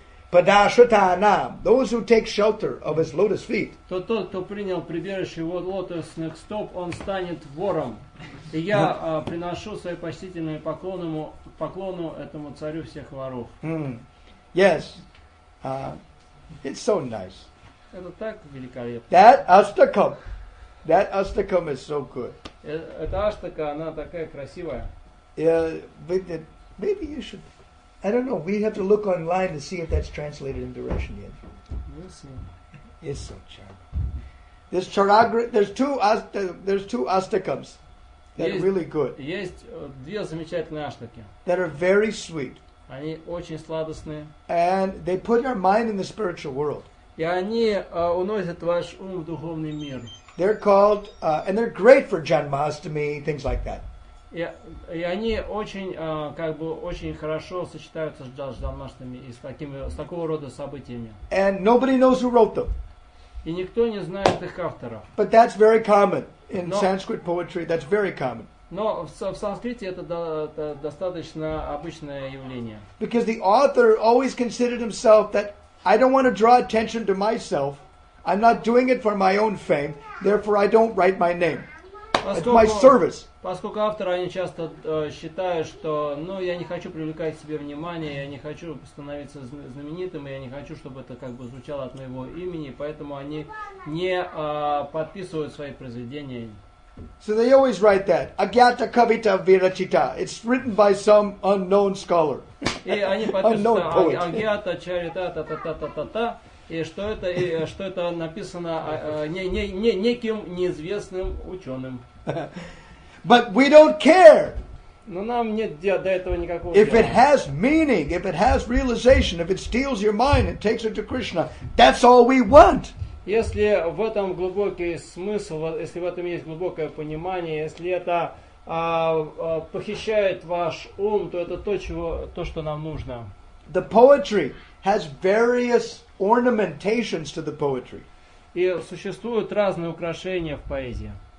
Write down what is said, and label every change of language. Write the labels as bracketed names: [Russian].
[Sanskrit] Padashata nam, [English] those who take shelter of his lotus feet. [Russian] Тот, кто принял прибежище от лотосных стоп, он станет вором. И я приношу свои почтительные поклону этому царю всех воров. [English] Yes, it's so nice. [Russian] Это так великолепно. [English] That astakam is so good. [Russian] Эта астака, она такая красивая. [English] Maybe you should. I don't know. We have to look online to see if that's translated into Russian yet. We'll see. It's so charming. This charagra. There's two astakams that are really good. [Russian] Есть две замечательные астаки. [English] That are very sweet. [Russian] Они очень сладостные. [English] And they put our mind in the spiritual world. [Russian] И они уносят ваш ум в духовный мир. [English] They're called, and they're great for Janmashtami, things like that. [Russian] И они очень, как бы, очень хорошо сочетаются с Janmashtami и с такого рода событиями. [English] And nobody knows who wrote them. [Russian] И никто не знает их авторов. [English] But that's very common in Sanskrit poetry, that's very common. [Russian] Но в санскрите это достаточно обычное явление. [English] Because the author always considered himself that I don't want to draw attention to myself. I'm not doing it for my own fame. Therefore, I don't write my name. It's my service. [Russian] Поскольку авторы, они часто считают, что, ну, я не хочу привлекать к себе внимание, я не хочу становиться знаменитым, я не хочу, чтобы это как бы звучало от моего имени, поэтому они не подписывают свои произведения. [English] So they always write that. [Sanskrit] Agyata kavita virachita. [English] It's written by some unknown scholar. Unknown poet. [Sanskrit] Агьята чарита та-та-та-та-та-та. [Russian] И что это написано неким неизвестным ученым. [English] But we don't care. [Russian] Но нам нет до этого никакого дела. [English] If it has meaning, if it has realization, if it steals your mind and takes it to Krishna, that's all we want. [Russian] Если в этом глубокий смысл, если в этом есть глубокое понимание, если это похищает ваш ум, то это то, что нам нужно. [English] The poetry has various ornamentations to the poetry. [Russian] И существуют разные украшения в поэзии.